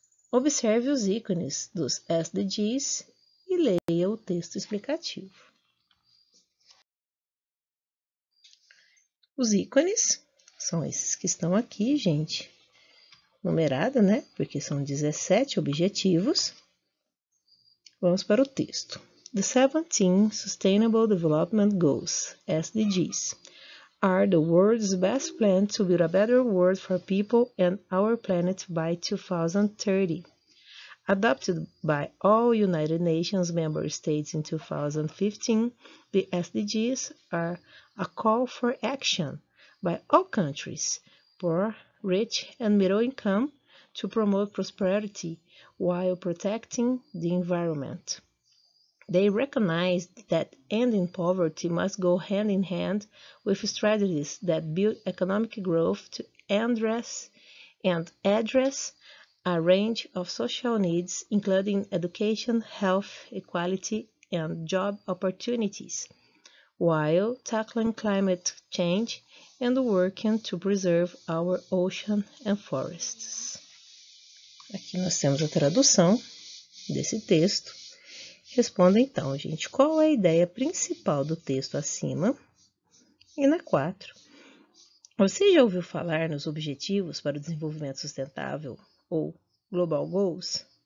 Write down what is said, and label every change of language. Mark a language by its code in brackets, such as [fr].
[pt] Observe os ícones dos SDGs e leia o texto explicativo. Os ícones são esses que estão aqui, gente, numerado, né? Porque são 17 objetivos. Vamos para o texto. [en] The 17 Sustainable Development Goals, SDGs, are the world's best plan to build a better world for people and our planet by 2030, adopted by all United Nations member states in 2015. The SDGs are a call for action by all countries, poor, rich and middle income, to promote prosperity while protecting the environment. They recognize that ending poverty must go hand in hand with strategies that build economic growth to address a range of social needs, including education, health, equality and job opportunities, while tackling climate change and working to preserve our ocean and forests. [pt] Aqui nós temos a tradução desse texto. Responda então, gente, qual é a ideia principal do texto acima? E na 4, você já ouviu falar nos Objetivos para o Desenvolvimento Sustentável ou Global Goals?